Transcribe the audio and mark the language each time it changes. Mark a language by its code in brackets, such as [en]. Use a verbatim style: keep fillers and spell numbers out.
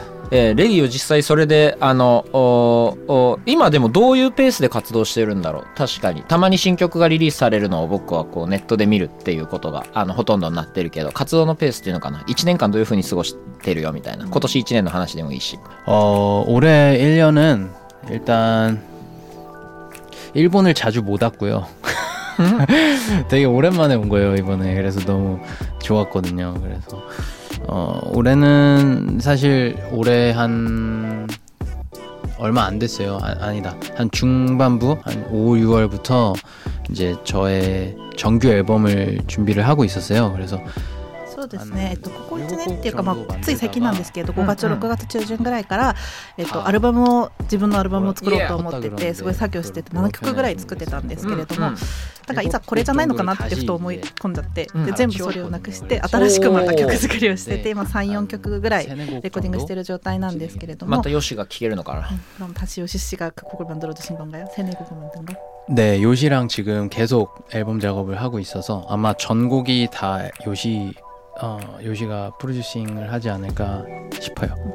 [ja] えー、レディを実際それであのおお今でもどういうペースで活動してるんだろう。確かにたまに新曲がリリースされるのを僕はこうネットで見るっていうことがあのほとんどになってるけど、活動のペースっていうのかな、いちねんかんどういう風に過ごしてるよみたいな、今年いちねんの話でもいいし。 [ko] 어올해 일 년은 일단 일본을 자주 못 왔고요. 되게 오랜만에 온 거예요 이번에. 그래서 너무 좋았거든요. 그래서 어, 올해는 사실 올해 한 얼마 안 됐어요. 아, 아니다. 한 중반부, 한 오, 유월부터 이제 저의 정규 앨범을 준비를 하고 있었어요. 그래서 [ja] そうですね、えっと、ここいちねんっていうか、まあ、つい最近なんですけどごがつろくがつ中旬ぐらいから、えっと、アルバムを自分のアルバムを作ろうと思っててすごい作業しててななきょくぐらい作ってたんですけれども、なんかいざこれじゃないのかなってふと思い込んじゃってで全部それをなくして新しくまた曲作りをしてて今さん、よんきょくぐらいレコーディングしてる状態なんですけれども、またヨシが聴けるのかな。 [ko] 그럼 다시 요시 씨가 그 곡을 만들어 주신 건가요? 새 내 곡을 만든 거? 네, 요시랑 지금 계속 앨범 작업을 하고 있어서 아마 전곡이 다 요시 어, 요시가 프로듀싱을 하지 않을까 싶어요.